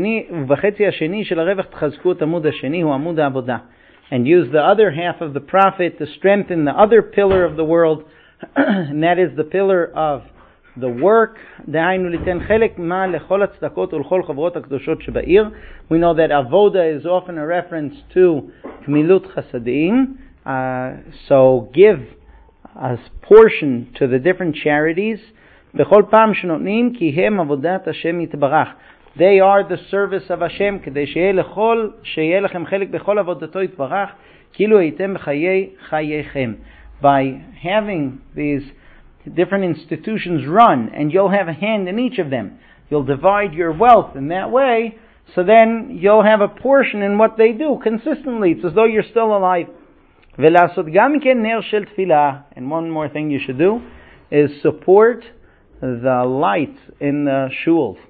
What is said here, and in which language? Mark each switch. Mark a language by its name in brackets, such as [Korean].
[Hebrew] ובחצי השני של הרווח תחזקו את עמוד השני, הוא עמוד העבודה. [English] And use the other half of the profit to strengthen the other pillar of the world, and that is the pillar of the work. [Hebrew] דהיינו לתן חלק מה לכל הצדקות ולכל חברות הקדושות שבעיר. [English] We know that avoda is often a reference to gmilut chasadim. So give a portion to the different charities. [Hebrew] בכל פעם שנותנים כי הם עבודת השם יתברך. [English] They are the service of Hashem, [Hebrew] כדי שיהיה לכל, שיהיה לכם חלק בכל עבודתו יתברך, כאילו הייתם בחיי חייכם. [English] By having these different institutions run, and you'll have a hand in each of them, you'll divide your wealth in that way, so then you'll have a portion in what they do consistently. It's as though you're still alive. [Hebrew] ולעשות גם כן נר של תפילה, [English] and one more thing you should do, is support the light in the shuls.